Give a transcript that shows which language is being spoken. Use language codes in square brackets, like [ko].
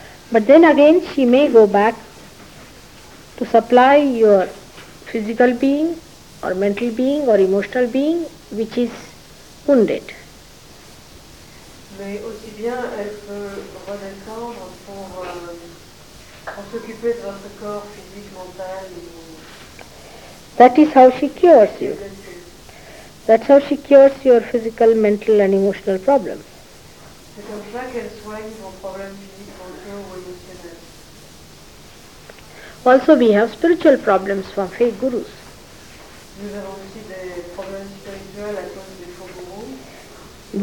[en] But then again, she may go back to supply your physical being, or mental being, or emotional being, which is wounded. [fr] Mais aussi bien elle peut redescendre pour s'occuper de votre corps physique, mental. [en] That is how she cures you. That's how she cures your physical, mental, and emotional problems. [fr] C'est comme ça qu'elle soigne vos problèmes physiques, mentaux ou émotionnels. [en] Also, we have spiritual problems from fake gurus. [fr] Nous avons aussi des problèmes spirituels à cause des faux gurus.